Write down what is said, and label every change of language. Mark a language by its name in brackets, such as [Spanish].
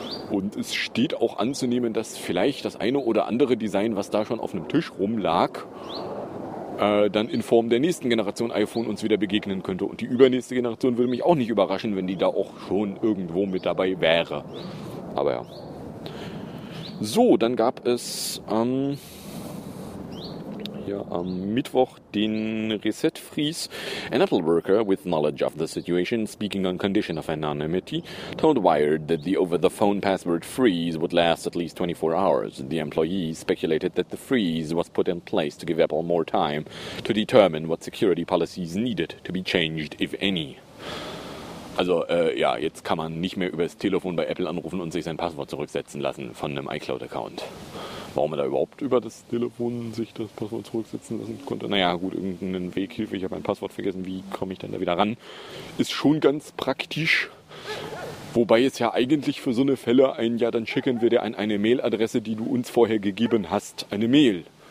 [German] Und es steht auch anzunehmen, dass vielleicht das eine oder andere Design, was da schon auf einem Tisch rumlag, dann in Form der nächsten Generation iPhone uns wieder begegnen könnte. Und die übernächste Generation würde mich auch nicht überraschen, wenn die da auch schon irgendwo mit dabei wäre. Aber ja. So, dann gab es hier am Mittwoch den Reset-Freeze. [English] An Apple worker with knowledge of the situation, speaking on condition of anonymity, told Wired that the over-the-phone password freeze would last at least 24 hours. The employee speculated that the freeze was put in place to give Apple more time to determine what security policies needed to be changed, if any. [German] Also, ja, jetzt kann man nicht mehr übers Telefon bei Apple anrufen und sich sein Passwort zurücksetzen lassen von einem iCloud-Account. Warum er da überhaupt über das Telefon sich das Passwort zurücksetzen lassen konnte. Naja, gut, irgendeinen Weg hilft, ich habe mein Passwort vergessen, wie komme ich denn da wieder ran? Ist schon ganz praktisch. Wobei es ja eigentlich für so eine Fälle ein, ja, dann schicken wir dir an eine Mailadresse, die du uns vorher gegeben hast, eine Mail.